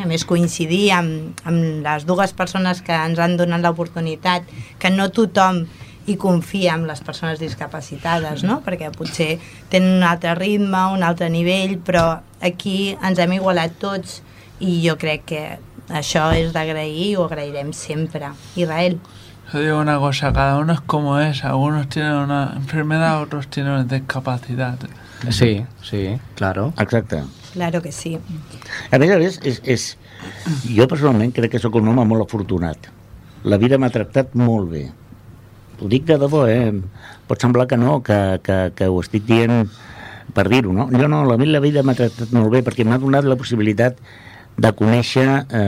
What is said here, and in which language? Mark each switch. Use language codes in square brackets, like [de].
[ca] A més, coincidir amb les dues persones que ens han donat l'oportunitat, que no tothom hi confia en les persones discapacitades, no? Perquè potser tenen un altre ritme, un altre nivell, però aquí ens hem igualat tots i jo crec que això és d'agrair i ho agrairem sempre. Israel. [es] Yo digo una cosa, cada uno es como es, algunos tienen una enfermedad, otros tienen una discapacidad. Sí, claro. [ca] Exacte. [es] Claro que sí. [ca] A més, és jo personalment crec que sóc un home molt afortunat. La vida m'ha tractat molt bé. Ho dic de debò, eh? Pot semblar que no, que ho estic dient per dir-ho, no? Jo no, a mi la vida m'ha tractat molt bé perquè m'ha donat la possibilitat de conèixer...